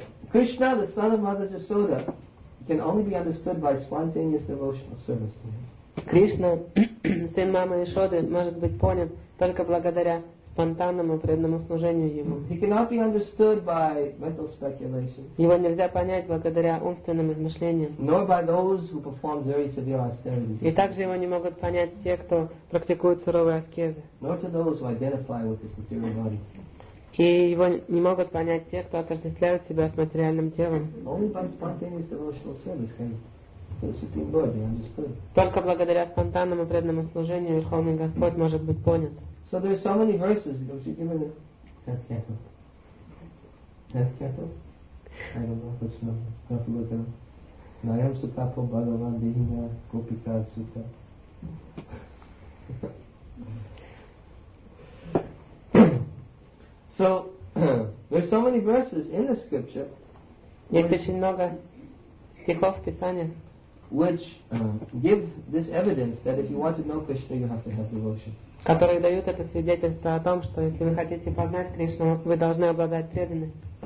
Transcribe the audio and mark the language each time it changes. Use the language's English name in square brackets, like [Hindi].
[English] Krishna, the son of Mother Yashoda, can only be understood by spontaneous devotional service to him. [Russian] Кришна, сын мамы Яшоды, может быть понят только благодаря спонтанному преданному служению ему. [English] He cannot be understood by mental speculation. [Russian] Его нельзя понять благодаря умственным измышлениям. [English] Nor by those who perform very severe austerities. [Russian] И также его не могут понять те, кто практикует суровые аскезы. [English] Nor to those who identify with this material body. [Russian] И его не могут понять те, кто отождествляют себя с материальным телом. [English] Only by spontaneous devotional service can the Supreme Lord be understood. [Russian] Только благодаря спонтанному преданному служению Верховный Господь может быть понят. [English] So there are so many verses. Was he given death cattle? I don't know what's number. I have to look at them. [Sanskrit] Nayam sutapo bhagavan dehina kopika sutta. [English] So there are so many verses in the scripture. [Russian] Есть очень много стихов в Писании. [English] Which give this evidence that if you want to know Krishna, you have to have devotion. [Russian] Которые дают это свидетельство о том, что если вы хотите познать Кришну, вы должны обладать преданностью.